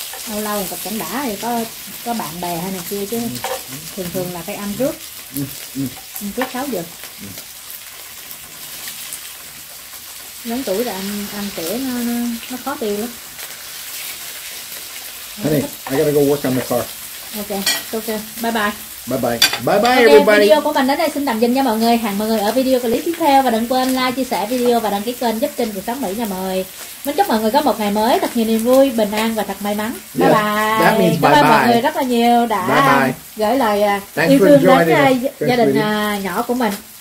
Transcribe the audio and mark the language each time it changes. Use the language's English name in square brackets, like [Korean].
[Vietnamese] Lâu lâu gặp cảnh đã thì có bạn bè hay này kia chứ thường thường là phải ăn trước. Ăn trước 6 giờ. Lớn tuổi là ăn trễ nó khó tiêu lắm. [English] Honey, I gotta go work on the car. Okay, okay. Bye bye. Bye bye okay, everybody. [Vietnamese] Video của mình đến đây xin tạm dừng nha mọi người. Hẹn mọi người ở video clip tiếp theo và đừng quên like, chia sẻ video và đăng ký kênh giúp Trinh Cuộc Sống Mỹ nha mọi người. Mình chúc mọi người có một ngày mới thật nhiều niềm vui, bình an và thật may mắn. [English] Bye yeah, bye. That means [Vietnamese] cảm [English] bye [Vietnamese] ơn [English] bye. [Vietnamese] Mọi người rất là nhiều đã gửi lời yêu thương đến gia đình nhỏ của mình.